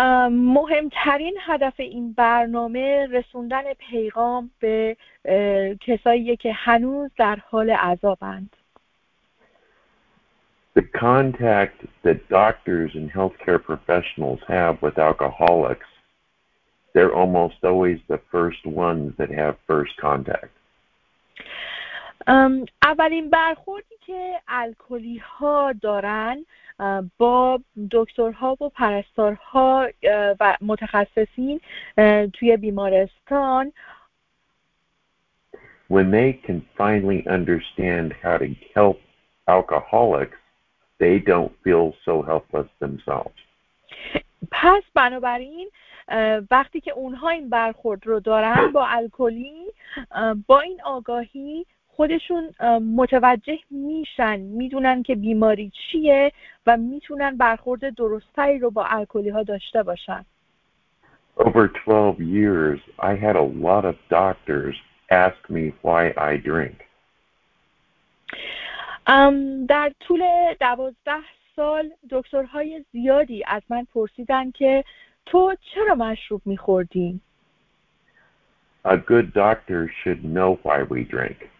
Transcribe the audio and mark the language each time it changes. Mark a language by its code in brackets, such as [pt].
[fa] مهمترین هدف این برنامه رسوندن پیغام به کسایی که هنوز در حال عذابند. [en] The contact that doctors and healthcare professionals have with alcoholics, they're almost always the first ones that have first contact. [fa] اولین برخوردی که الکلی ها دارن با دکترها و پرستارها و متخصصین توی بیمارستان، [en] When they can finally understand how to help alcoholics, they don't feel so helpless themselves. [fa] پس بنابراین وقتی که اونها این برخورد رو دارن با الکلی، با این آگاهی خودشون متوجه میشن، میدونن که بیماری چیه و میتونن برخورد درستی رو با الکلی ها داشته باشن. [en] Over 12 years I had a lot of doctors ask me why I drink. [fa] در طول 12 سال دکترهای زیادی از من پرسیدن که تو چرا مشروب میخوردی؟ [en] A good doctor should know why we drink.